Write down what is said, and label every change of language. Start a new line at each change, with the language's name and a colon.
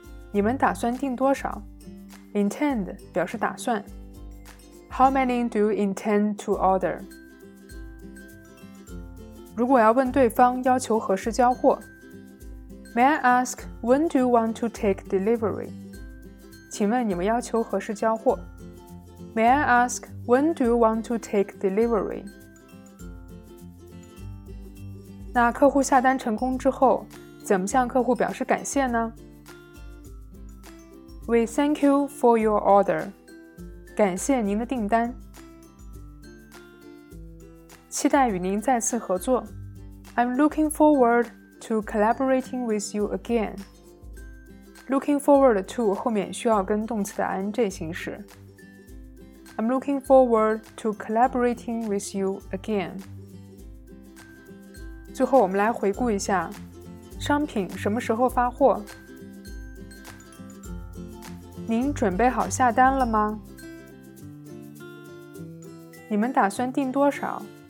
Chinese: 你们打算订多少？Intend 表示打算。
English: How many do you intend to order?
Chinese: 如果要问对方要求何时交货，
English: May I ask when do you want to take delivery?
Chinese: 请问你们要求何时交货？
English: May I ask, when do you want to take delivery?
Chinese: 那客户下单成功之后，怎么向客户表示感谢呢？
English: We thank you for your order.
Chinese: 感谢您的订单。期待与您再次合作。
English: I'm looking forward to collaborating with you again. Looking forward to
Chinese: 后面需要跟动词的 ing 形式。
English: I'm looking forward to collaborating with you again.
Chinese: 最后我们来回顾一下，商品什么时候发货？您准备好下单了吗？你们打算订多少？